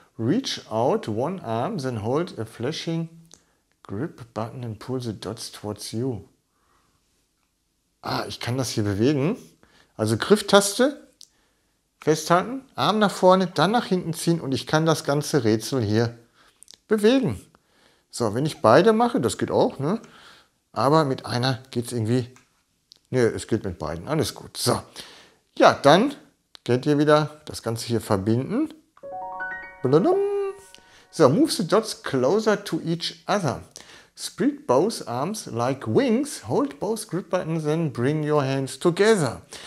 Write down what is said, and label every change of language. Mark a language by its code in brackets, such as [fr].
[en] Reach out one arm, then hold a flashing grip button and pull the dots towards you. [de] Ich kann das hier bewegen. Also Grifftaste festhalten, Arm nach vorne, dann nach hinten ziehen und ich kann das ganze Rätsel hier bewegen. So, wenn ich beide mache, das geht auch, ne? Aber mit einer geht es irgendwie. Nö, es geht mit beiden. Alles gut. So. Ja, dann könnt ihr wieder das Ganze hier verbinden. Blum. [en] So, move the dots closer to each other. Spread both arms like wings. Hold both grip buttons and bring your hands together.